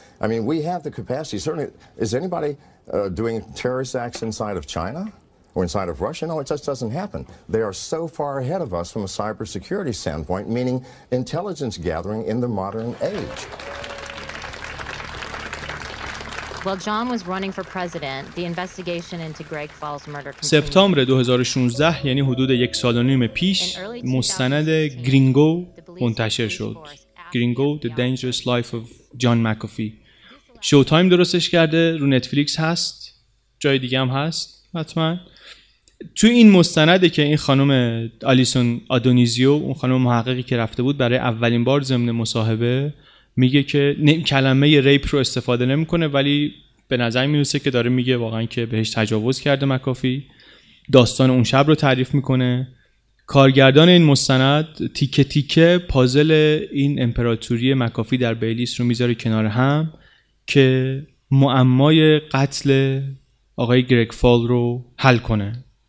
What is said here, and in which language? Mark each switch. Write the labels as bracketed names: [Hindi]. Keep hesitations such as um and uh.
[English] I mean, we have the capacity. Certainly, is anybody uh, doing terrorist acts inside of China? or inside of Russia. No, it just doesn't happen. They are so far ahead of us from a cybersecurity standpoint, meaning intelligence gathering in the modern age. While John was running for president, the investigation into Greg Falls murder continued. [Persian] سپتامبر 2016 یعنی حدود یک سال و نیم پیش مستند گرینگو منتشر شد. گرینگو [English] The Dangerous Life of John McAfee. [Persian] شو تایم درستش کرده رو نتفلیکس هست. جای دیگه هم هست, تو این مستنده که این خانم آلیسون آدونیزیو اون خانم محققی که رفته بود برای اولین بار ضمن مصاحبه میگه که نمی... کلمه ی ریپ رو استفاده نمیکنه ولی به نظر میرسه که داره میگه واقعا که بهش تجاوز کرده مکافی داستان اون شب رو تعریف میکنه کارگردان این مستند تیکه تیکه پازل این امپراتوری مکافی در بیلیس رو میذاره کنار هم که معمای قتل آقای گرگ فال رو حل کنه